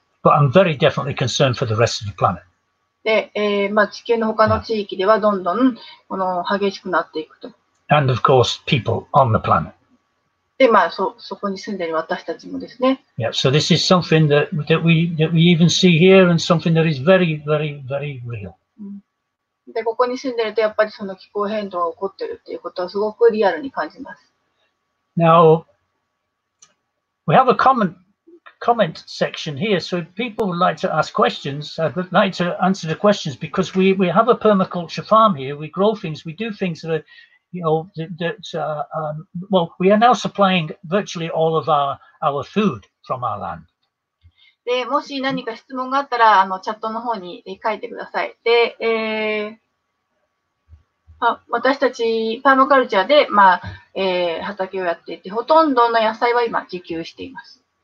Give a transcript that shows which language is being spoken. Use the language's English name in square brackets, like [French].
[English] But I'm very definitely concerned for the rest of the planet. [Japanese] で、地球の他の地域ではどんどんこの激しくなっていくと。 [English] And of course, people on the planet. [Japanese] で、そこに住んでいる私たちもですね。 [English] Yeah, so this is something that we even see here and something that is very, very, very real. [Japanese] で、ここに住んでいるとやっぱりその気候変動が起こっているということはすごくリアルに感じます。 [English] Now, we have a comment section here, so if people would like to ask questions, I would like to answer the questions because we have a permaculture farm here, we grow things, we do things that we are now supplying virtually all of our food from our land. [Japanese] で、もし何か質問があったら、チャットの方に書いてください。で、私たちパーマカルチャーで、畑をやっていて、ほとんどの野菜は今自給しています。